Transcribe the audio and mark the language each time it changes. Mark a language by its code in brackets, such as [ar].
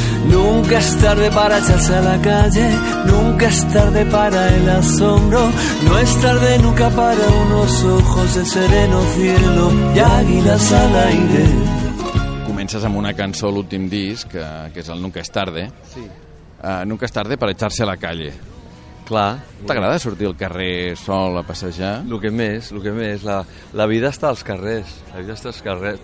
[es] Nunca es tarde para echarse a la calle, nunca es tarde para el asombro, no es tarde nunca para unos ojos de sereno cielo y águilas al aire. [ca] Comences amb una cançó, l'últim disc, que és el Nunca es tarde. Sí. [es] Nunca es tarde para echarse a la calle. [ca] Clar. T'agrada sortir al carrer sol a passejar? El que més. La vida està als carrers. La vida està als carrers.